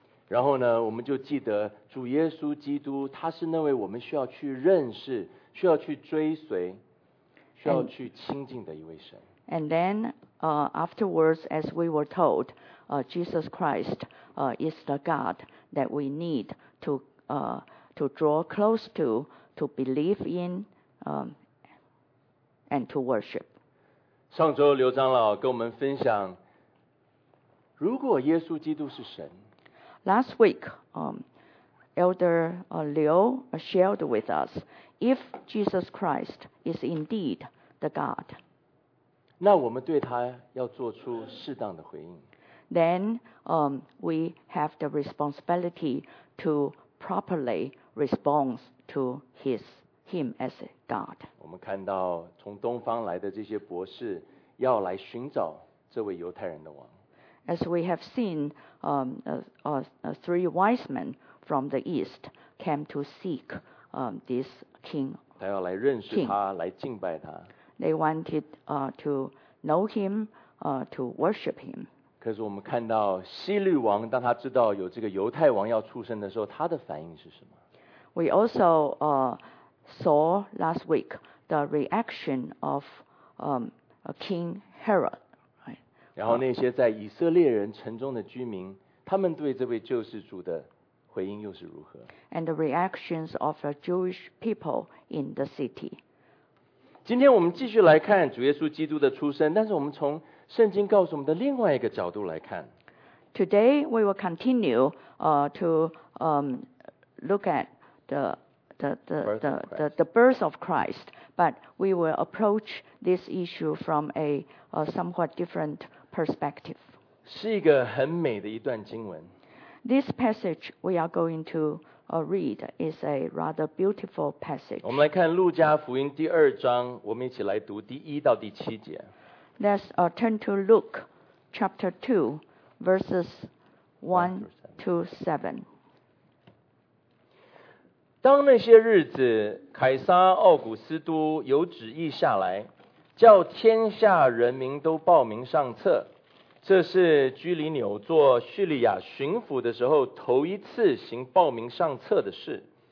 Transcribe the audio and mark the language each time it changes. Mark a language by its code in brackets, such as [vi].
[zh] 然后呢，我们就记得主耶稣基督，他是那位我们需要去认识，需要去追随，需要去亲近的一位神。 [en] And then afterwards, as we were told, Jesus Christ is the God that we need to draw close to believe in and to worship. [zh] 上周刘长老跟我们分享，如果耶稣基督是神， [en] Last week, Elder Liu shared with us if Jesus Christ is indeed the God. [zh] 那我们对他要做出适当的回应。 [en] Then, we have the responsibility to properly respond to him as God. [zh] 我们看到从东方来的这些博士要来寻找这位犹太人的王。 [en] As we have seen, three wise men from the east came to seek, this king. [zh] 他要来认识他，来敬拜他。 [en] They wanted, to know him, to worship him. [zh] 可是我们看到希律王当他知道有这个犹太王要出生的时候，他的反应是什么？ [en] We also, saw last week the reaction of, King Herod. [zh] 然后那些在以色列人城中的居民，他们对这位救世主的回应又是如何？ [en] And the reactions of the Jewish people in the city. [zh] 今天我们继续来看主耶稣基督的出生，但是我们从圣经告诉我们的另外一个角度来看。 [en] Today we will continue, to, look at the birth of Christ, but we will approach this issue from a somewhat different perspective. [zh] 是一个很美的一段经文。 [en] This passage we are going to read is a rather beautiful passage. [zh] 我们来看路加福音第二章，我们一起来读第一到第七节。 [en] Let's turn to Luke chapter 2, verses 1 to 7. [zh] 当那些日子，凯撒奥古斯都有旨意下来，叫天下人民都报名上册。这是居里纽做叙利亚巡抚的时候头一次行报名上册的事。